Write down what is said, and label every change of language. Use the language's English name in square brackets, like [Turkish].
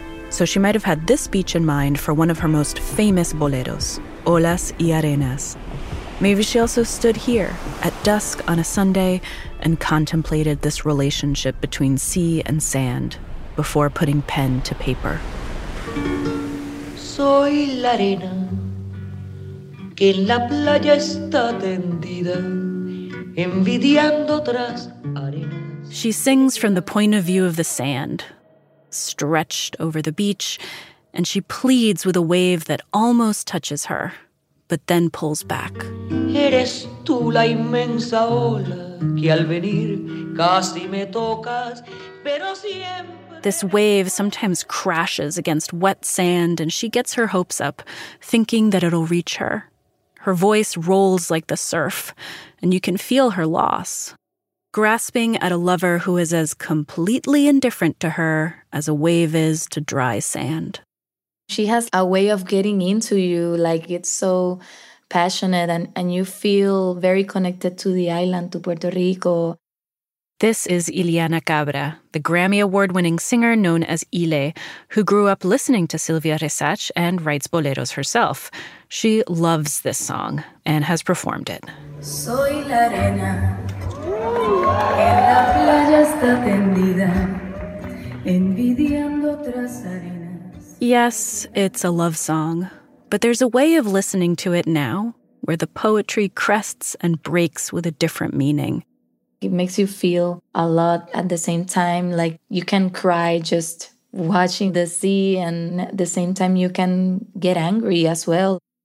[English] So she might have had this beach in mind for one of her most famous boleros, Olas y Arenas. Maybe she also stood here at dusk on a Sunday and contemplated this relationship between sea and sand before putting pen to paper. [Spanish] Soy la arena que en la playa está tendida, envidiando otras arenas. [English] She sings from the point of view of the sand, stretched over the beach, and she pleads with a wave that almost touches her, but then pulls back. [Spanish] Eres tú la inmensa ola que al venir casi me tocas, pero siempre... [English] This wave sometimes crashes against wet sand, and she gets her hopes up, thinking that it'll reach her. Her voice rolls like the surf, and you can feel her loss. Grasping at a lover who is as completely indifferent to her as a wave is to dry sand. She has a way of getting into you, like it's so passionate, and you feel very connected to the island, to Puerto Rico. This is Ileana Cabra, the Grammy Award-winning singer known as Ile, who grew up listening to Silvia Resach and writes boleros herself. She loves this song and has performed it. [Spanish] Soy la arena. En la playa está tendida, envidiando otras arenas. [English] Yes, it's a love song, but there's a way of listening to it now where the poetry crests and breaks with a different meaning. It makes you feel a lot at the same time, like you can cry just watching the sea, and at the same time you can get angry as well.